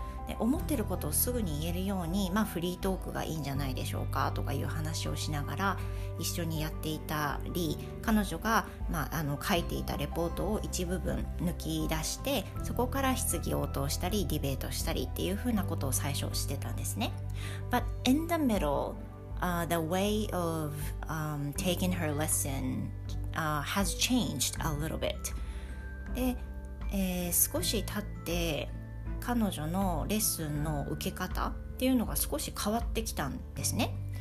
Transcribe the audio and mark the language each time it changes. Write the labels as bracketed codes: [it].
[ja] で、思ってることをすぐに言えるように、フリートークがいいんじゃないでしょうかとかいう話をしながら一緒にやっていたり、彼女が、書いていたレポートを一部分抜き出して、そこから質疑応答したりディベートしたりっていうふうなことを最初してたんですね。 [en] But in the middle, the way of taking her lesson has changed a little bit. [ja] で、少し経って彼女のレッスンの受け方っていうのが少し変わってきたんですね。